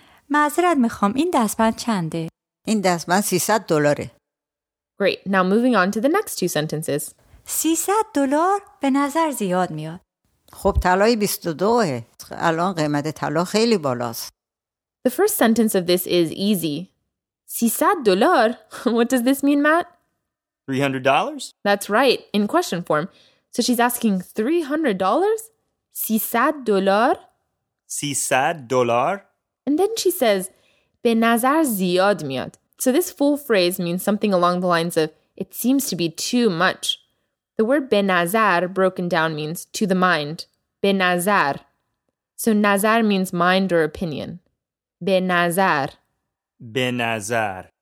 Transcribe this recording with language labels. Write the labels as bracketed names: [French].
[Persian] معذرت میخوام این دستبند چنده؟ این دستبند 300 دلاره. [English] Great. Now moving on to the next two sentences. [Persian] 300 دلار به نظر زیاد میاد. خب طلای 22ه. الان قیمت طلا خیلی بالاست. [English] The first sentence of this is easy. [Persian] 300 دلار. [English] What does this mean, Matt? $300? That's right. In question form. So she's asking $300? [Persian] 300 دلار. 300 دلار. [English] And then she says [Persian] به نظر زیاد میاد. [English] So this full phrase means something along the lines of it seems to be too much. The word [Persian] به نظر [English] broken down means to the mind. به نظر. So نظر means mind or opinion. [Persian] به نظر. به نظر.